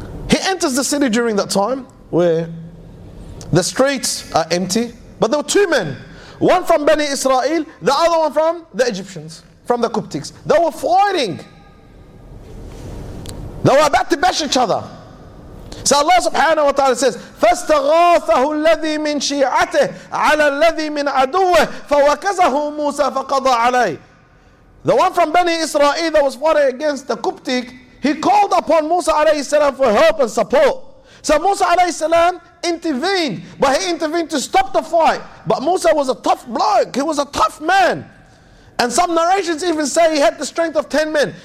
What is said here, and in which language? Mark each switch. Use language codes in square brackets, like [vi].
[en] He enters the city during that time where the streets are empty. But there were two men. One from Bani Israel, the other one from the Egyptians, from the Coptics. They were fighting. They were about to bash each other. So Allah subhanahu wa ta'ala says, [ar] فَاسْتَغَاثَهُ الَّذِي مِنْ شِيَعَتِهِ عَلَى الَّذِي مِنْ عَدُوَّهِ فَوَكَزَهُ مُوسَى فَقَضَى عَلَيْهِ. [en] The one from Bani Israel that was fighting against the Coptic, he called upon Musa alayhi salam for help and support. So Musa alayhi salam intervened, but he intervened to stop the fight. But Musa was a tough bloke, he was a tough man. And some narrations even say he had the strength of 10 men.